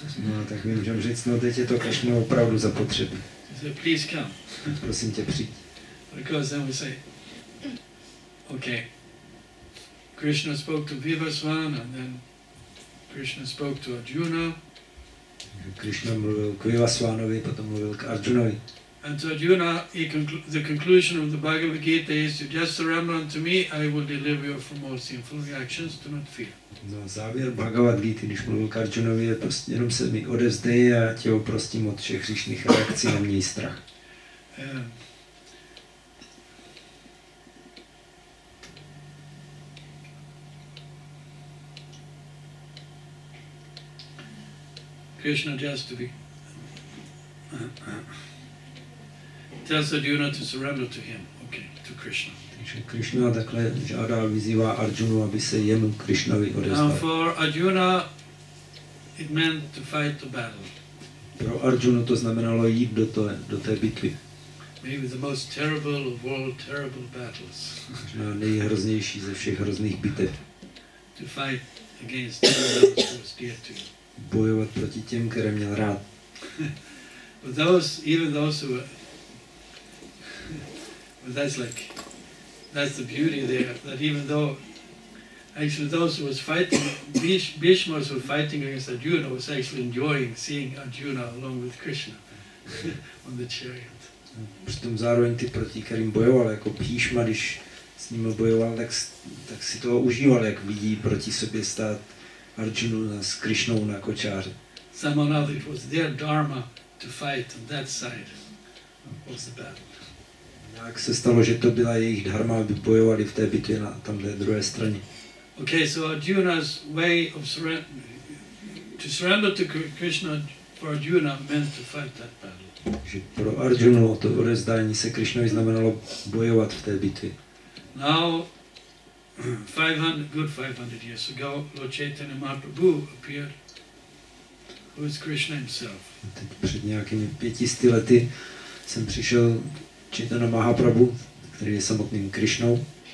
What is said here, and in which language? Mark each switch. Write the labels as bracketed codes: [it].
[cs] No, tak vím, že říct, no teď je to Krishna opravdu zapotřebí. [en] So please come. [cs] Prosím tě, přijď. [en] Because then we say, okay, Krishna spoke to Vivasvan, and then Krishna spoke to Arjuna. [cs] Krishna mluvil k Vivasvanovi, potom mluvil k Arjunovi. [en] And to Arjuna, the conclusion of the Bhagavad Gita is, you just surrender unto me, I will deliver you from all sinful reactions, do not fear. [cs] No, závěr Bhagavad Gita, když mluvil k Arjunovi, je prostě jenom se mi odevzdej a tě oprostím od všech hříšných reakcí, neměj strach. [en] Krishna just to be... tells Arjuna to surrender to him, okay, to Krishna. [cs] Takže Krishna takhle žádá, vyzývá Arjunu, aby se jemu Krishnovi odezval. [en] And for Arjuna, it meant to fight the battle. [cs] Pro Arjunu to znamenalo jít do té bitvy. [en] Maybe the most terrible of all terrible battles. [cs] Možná nejhroznější ze všech hrozných bitev. [en] To fight against the one who was dear to you. [cs] Bojovat proti těm, které měl rád. [en] But those, even those who were, but that's like, that's the beauty there, that even though, actually those who was fighting, Bhishmas were fighting against Arjuna, was actually enjoying seeing Arjuna along with Krishna on the chariot. [cs] Přitom zároveň ty, proti kterým bojoval, jako Bhishma, když s ním bojoval, tak si toho užíval, jak vidí proti sobě stát Arjunu s Krishnou na kočáře. [en] Someone else, it was their dharma to fight on that side was the battle. [cs] Jak se stalo, že to byla jejich dharma, aby bojovali v té bitvě na tamhle druhé straně. [en] Okay, so Arjuna's way of surrender to Krishna for Arjuna meant to fight that battle. [cs] Že pro Arjunu to odevzdání se Krishnovi znamenalo bojovat v té bitvě. [en] Now 500 years ago, Lord Chaitanya Mahaprabhu appeared, who is Krishna himself. [cs] Teď před nějakými 500 lety jsem přišel Chaitanya Mahaprabhu, který je samotným Krishnou.